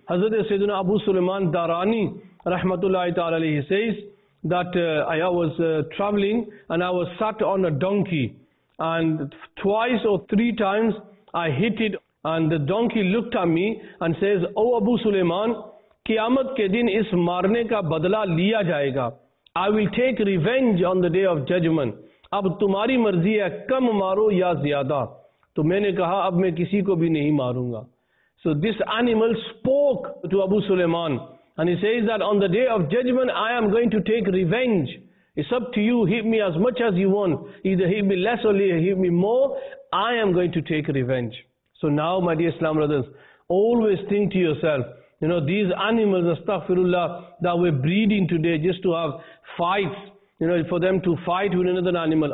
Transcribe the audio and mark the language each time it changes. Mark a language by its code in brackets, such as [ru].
[en] Hazrat Sayyidina Abu Sulaiman Darani, rahmatullahi ta'ala alayhi, says that I was traveling and I was sat on a donkey. And twice or three times I hit it and the donkey looked at me and says, "Oh Abu Sulaiman, [ur] قیامت کے دن اس مارنے کا بدلہ لیا جائے گا. [en] I will take revenge on the day of judgment. [ur] اب تمہاری مرضی ہے کم مارو یا زیادہ." تو میں نے کہا اب میں کسی کو بھی نہیں ماروں گا. [en] So this animal spoke to Abu Sulaiman and he says that on the day of judgment I am going to take revenge. It's up to you, hit me as much as you want. Either hit me less or hit me more, I am going to take revenge. So now my dear Islam brothers, always think to yourself, you know, these animals, astaghfirullah, that we're breeding today just to have fights, you know, for them to fight with another animal.